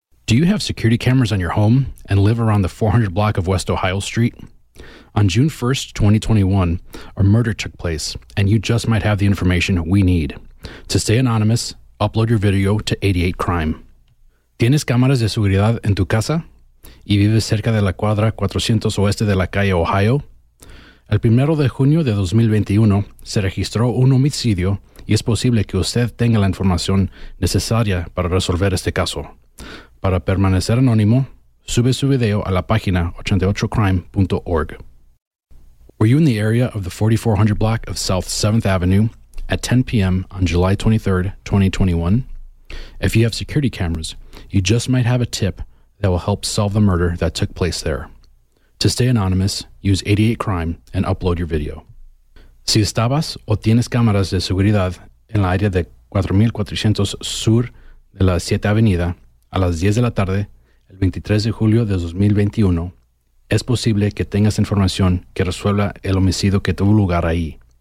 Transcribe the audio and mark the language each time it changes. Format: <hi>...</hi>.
<en>Do you have security cameras on your home and live around the 400 block of West Ohio Street? On June 1st, 2021, a murder took place, and you just might have the information we need. To stay anonymous, upload your video to 88Crime.</en> <es>¿Tienes cámaras de seguridad en tu casa? ¿Y vives cerca de la cuadra 400 oeste de la calle Ohio? El 1 de junio de 2021 se registró un homicidio y es posible que usted tenga la información necesaria para resolver este caso. Para permanecer anónimo, sube su video a la página 88crime.org.</es> <en>Were you in the area of the 4400 block of South 7th Avenue at 10 p.m. on July 23rd, 2021? If you have security cameras, you just might have a tip that will help solve the murder that took place there. To stay anonymous, use 88Crime and upload your video.</en> <es>Si estabas o tienes cámaras de seguridad en la área de 4400 sur de la 7th Avenida a las 10 de la tarde, el 23 de julio de 2021, es posible que tengas información que resuelva el homicidio que tuvo lugar ahí.</es>